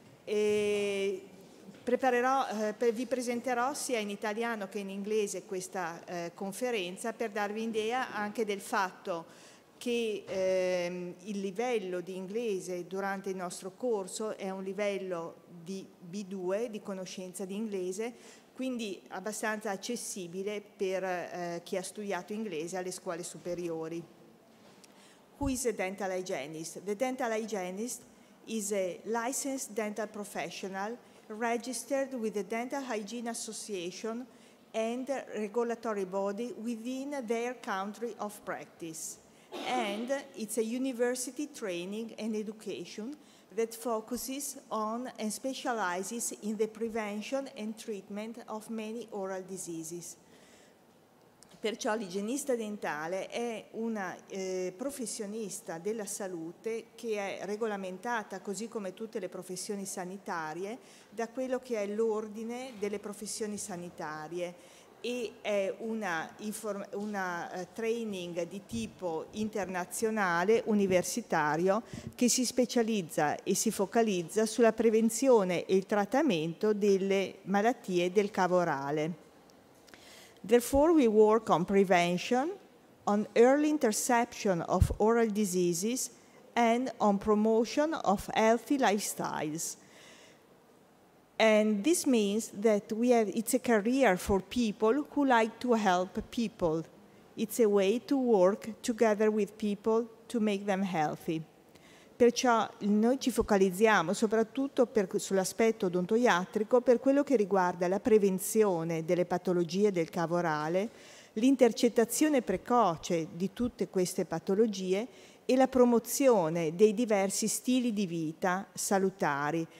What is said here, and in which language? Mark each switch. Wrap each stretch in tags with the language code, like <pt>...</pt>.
<it>Vi presenterò sia in italiano che in inglese questa conferenza per darvi idea anche del fatto che il livello di inglese durante il nostro corso è un livello di B2, di conoscenza di inglese, quindi abbastanza accessibile per chi ha studiato inglese alle scuole superiori.</it> <en>Who is a dental hygienist? The dental hygienist is a licensed dental professional registered with the Dental Hygiene Association and regulatory body within their country of practice. And it's a university training and education that focuses on and specializes in the prevention and treatment of many oral diseases.</en> <it>Perciò l'igienista dentale è una professionista della salute che è regolamentata, così come tutte le professioni sanitarie, da quello che è l'ordine delle professioni sanitarie. E è una training di tipo internazionale, universitario, che si specializza e si focalizza sulla prevenzione e il trattamento delle malattie del cavo orale.</it> <en>Therefore, we work on prevention, on early interception of oral diseases, and on promotion of healthy lifestyles. And this means that it's a career for people who like to help people. It's a way to work together with people to make them healthy.</en> <it>Perciò noi ci focalizziamo soprattutto sull'aspetto odontoiatrico per quello che riguarda la prevenzione delle patologie del cavo orale, l'intercettazione precoce di tutte queste patologie e la promozione dei diversi stili di vita salutari.</it>